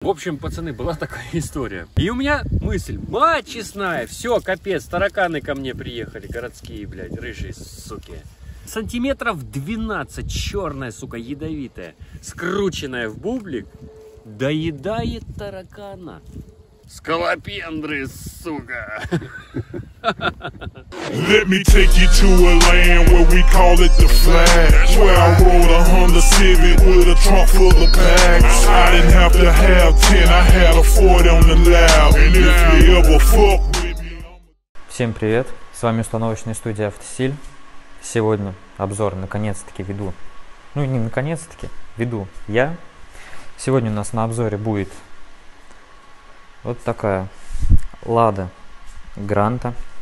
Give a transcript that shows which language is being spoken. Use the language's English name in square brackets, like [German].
[Russian] В общем, пацаны, была такая история. И у меня мысль, мать честная, все, капец, тараканы ко мне приехали, городские, блядь, рыжие, суки. Сантиметров 12, черная, сука, ядовитая, скрученная в бублик, доедает таракана. Скалопендры, сука. [English] Let me take you to a land where we call it the Flash. Where I rode a Honda Civic with a trunk full of packs. I didn't have to have 10, I had a 40 on the lab. And if you ever fuck with me. [Russian] Всем привет, с вами установочная студия Автосиль. Сегодня обзор наконец-таки веду. Ну не наконец-таки, веду я. Сегодня у нас на обзоре будет вот такая Лада Гранта.